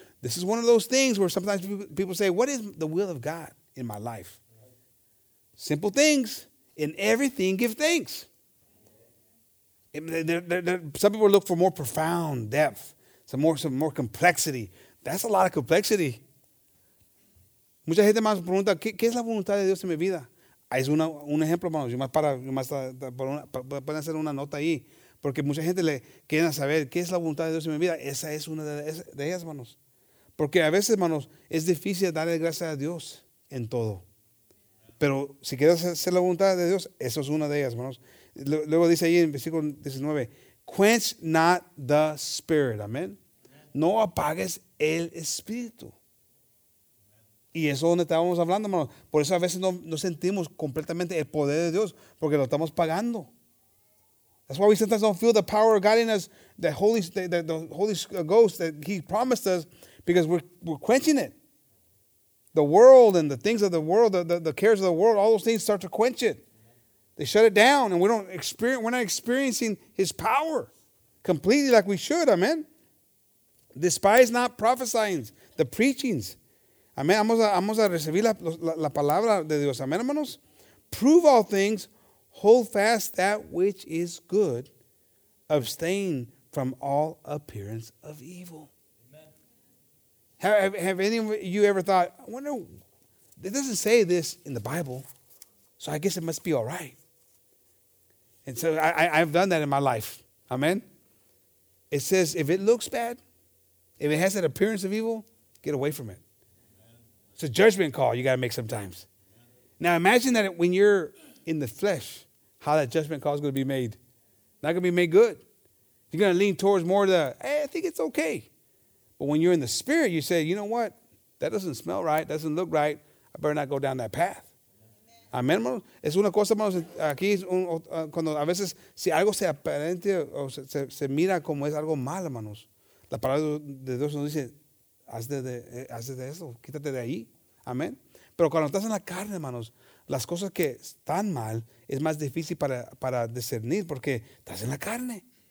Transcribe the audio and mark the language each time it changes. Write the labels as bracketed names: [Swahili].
[English] This is one of those things where sometimes people say, what is the will of God in my life? Simple things. in everything give thanks. Some people look for more profound depth, some more complexity. That's a lot of complexity. [Spanish] Mucha gente más pregunta, ¿qué es la voluntad de Dios en mi vida? Es un ejemplo, hermanos. Pueden hacer una nota ahí. Porque mucha gente le quiere saber qué es la voluntad de Dios en mi vida. Esa es una de ellas, hermanos. Porque a veces, hermanos, es difícil darle gracias a Dios en todo. Pero si quieres hacer la voluntad de Dios, eso es una de ellas, hermanos. Luego dice ahí en versículo 19, [English] quench not the spirit, [Spanish] amén. No apagues el espíritu. Y eso es donde estábamos hablando, hermanos. Por eso a veces no sentimos completamente el poder de Dios, porque lo estamos pagando. [English] That's why we sometimes don't feel the power of God in us, the Holy Ghost that he promised us, because we're quenching it. The world and the things of the world, the cares of the world, all those things start to quench it. They shut it down, and we're not experiencing his power completely like we should, amen? Despise not prophesying, the preachings. [Spanish] Amen, vamos a recibir la palabra de Dios, amen, hermanos? [English] Prove all things. Hold fast that which is good. Abstain from all appearance of evil. Amen. Have any of you ever thought, I wonder, it doesn't say this in the Bible, so I guess it must be all right. And so I've done that in my life. Amen? It says if it looks bad, if it has that appearance of evil, get away from it. Amen. It's a judgment call you got to make sometimes. Amen. Now imagine that when you're in the flesh, how that judgment call is going to be made. Not going to be made good. You're going to lean towards more of the, hey, I think it's okay. But when you're in the spirit, you say, you know what? That doesn't smell right. Doesn't look right. I better not go down that path. Amen, hermanos. [Spanish] Es una cosa, hermanos, aquí es cuando a veces, si algo se aparente o se mira como es algo mal, hermanos, la palabra de Dios nos dice, haz de eso, quítate de ahí. Amen. Pero cuando estás en la carne, hermanos, las cosas que están mal es más difícil para discernir porque estás en la carne.